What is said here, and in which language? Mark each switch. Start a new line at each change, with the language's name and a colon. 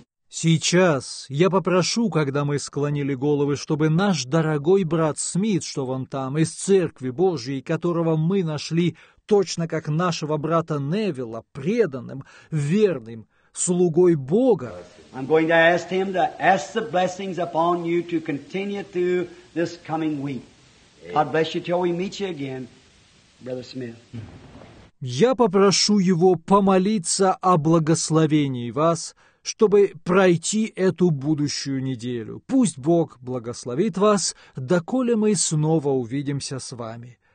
Russian: Сейчас я попрошу, когда мы склонили головы, чтобы наш дорогой брат Смит, что вон там, из Церкви Божьей, которого мы нашли, точно как нашего брата Невилла, преданным, верным, слугой Бога.
English: I'm going to ask him to ask the blessings upon you to continue through this coming week. God bless you till we meet you again, brother Smith.
Russian: Я попрошу его помолиться о благословении вас, чтобы пройти эту будущую неделю. Пусть Бог благословит вас, доколе мы снова увидимся с вами.